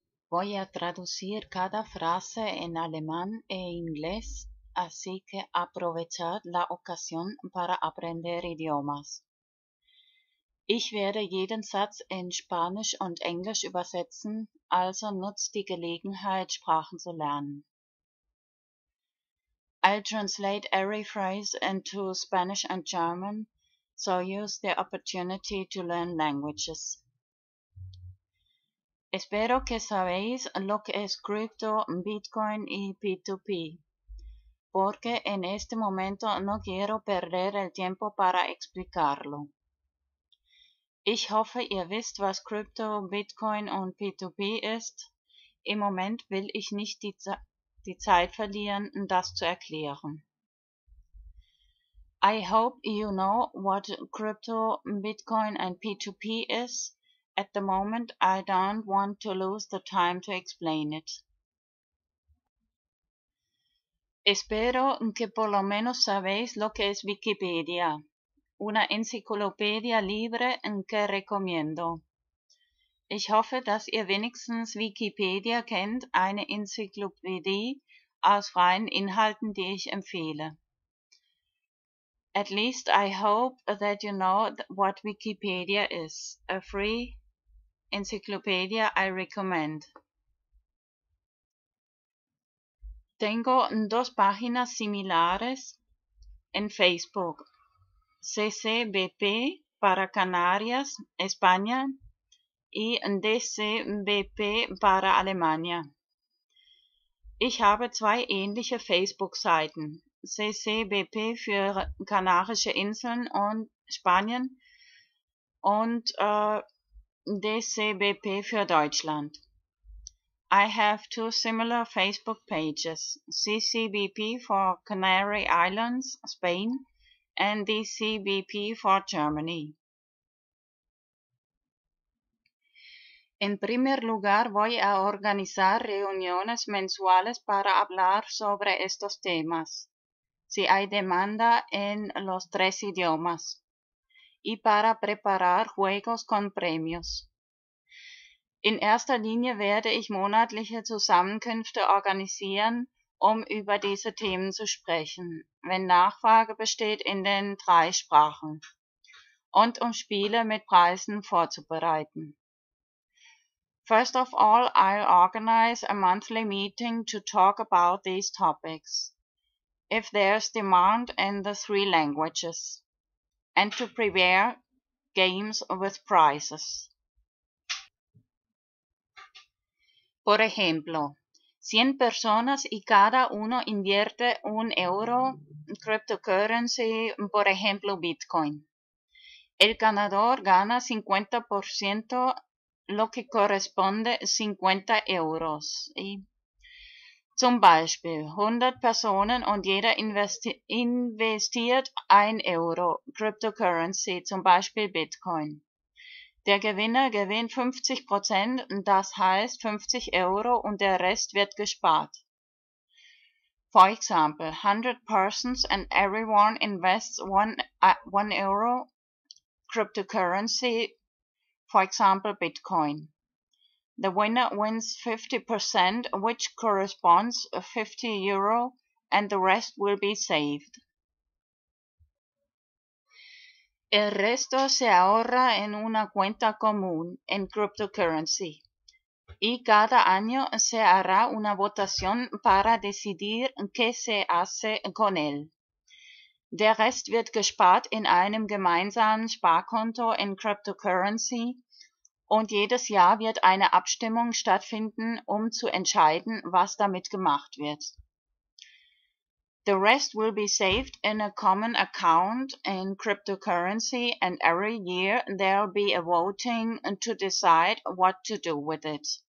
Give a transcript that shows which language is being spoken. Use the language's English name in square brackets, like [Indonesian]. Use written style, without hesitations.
[Spanish] Voy a traducir cada frase en alemán e inglés, así que aprovechad la ocasión para aprender idiomas. [German] Ich werde jeden Satz in Spanisch und Englisch übersetzen, also nutzt die Gelegenheit, Sprachen zu lernen. [English] I'll translate every phrase into Spanish and German, so use the opportunity to learn languages. [Spanish] Espero que sabéis lo que es cripto, Bitcoin y P2P, porque en este momento no quiero perder el tiempo para explicarlo. [German] Ich hoffe, ihr wisst, was cripto, Bitcoin und P2P ist. Im Moment will ich nicht die Zeit verlieren, das zu erklären. [English] I hope you know what crypto, Bitcoin and P2P is. At the moment, I don't want to lose the time to explain it. [Spanish] Espero que por lo menos sabéis lo que es Wikipedia, una enciclopedia libre en que recomiendo. [German] Ich hoffe, dass ihr wenigstens Wikipedia kennt, eine Enzyklopädie aus freien Inhalten, die ich empfehle. [English] At least I hope that you know what Wikipedia is, a free encyclopedia I recommend. [Spanish] Tengo dos páginas similares en Facebook, CCBP para Canarias, España, y DCBP para Alemania. [German] Ich habe zwei ähnliche Facebook-Seiten, CCBP für Kanarische Inseln und Spanien und DCBP für Deutschland. [English] I have two similar Facebook pages, CCBP for Canary Islands, Spain, and DCBP for Germany. [Spanish] En primer lugar, voy a organizar reuniones mensuales para hablar sobre estos temas, si hay demanda en los tres idiomas, y para preparar juegos con premios. [German] In erster Linie werde ich monatliche Zusammenkünfte organisieren, um über diese Themen zu sprechen, wenn Nachfrage besteht in den drei Sprachen und um Spiele mit Preisen vorzubereiten. [English] First of all, I'll organize a monthly meeting to talk about these topics, if there's demand in the three languages, and to prepare games with prizes. [Spanish] Por ejemplo, 100 personas y cada uno invierte un euro en cryptocurrency, por ejemplo Bitcoin. El ganador gana 50%, lo que corresponde 50 euros. [German] Y zum Beispiel 100 Personen und jeder investiert 1 Euro Cryptocurrency, zum Beispiel Bitcoin. Der Gewinner gewinnt 50%, das heißt 50 Euro und der Rest wird gespart. [English] For example, 100 persons and everyone invests 1 Euro Cryptocurrency, for example Bitcoin. The winner wins 50%, which corresponds to 50 euro, and the rest will be saved. [Spanish] El resto se ahorra en una cuenta común, en cryptocurrency. Y cada año se hará una votación para decidir qué se hace con él. [German] Der Rest wird gespart in einem gemeinsamen Sparkonto in cryptocurrency. Und jedes Jahr wird eine Abstimmung stattfinden, um zu entscheiden, was damit gemacht wird. [English] The rest will be saved in a common account in cryptocurrency and every year there'll be a voting to decide what to do with it.